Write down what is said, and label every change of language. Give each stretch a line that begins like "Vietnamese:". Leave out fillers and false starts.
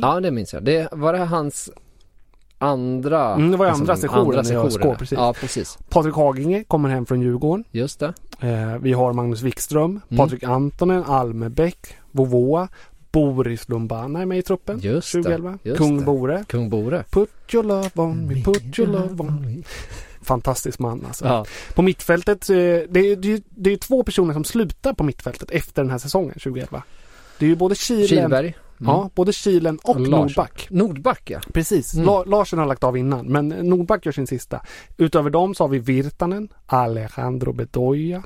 Swedish: Ja, det minns jag. Det var det hans andra... Mm, det var andra sessionen i ÖSK, precis. Ja, precis. Patrik Haginge kommer hem från Djurgården. Just det. Vi har Magnus Wikström, Patrik Antonen, Almebäck, Vovoa, Boris Lumbana är med i truppen. Just 2011. Just Kung Bore. Kung Bore.
English: Put your love on me, put your love on me.
Swedish: Fantastisk man alltså. Ja. På mittfältet, det är två personer som slutar på mittfältet efter den här säsongen 2011. Det är ju både Kihlberg. Mm. Ja, både Kihlen och Nordback. Nordback, ja. Precis. Mm. Larsen har lagt av innan, men Nordback gör sin sista. Utöver dem så har vi Virtanen, Alejandro Bedoya.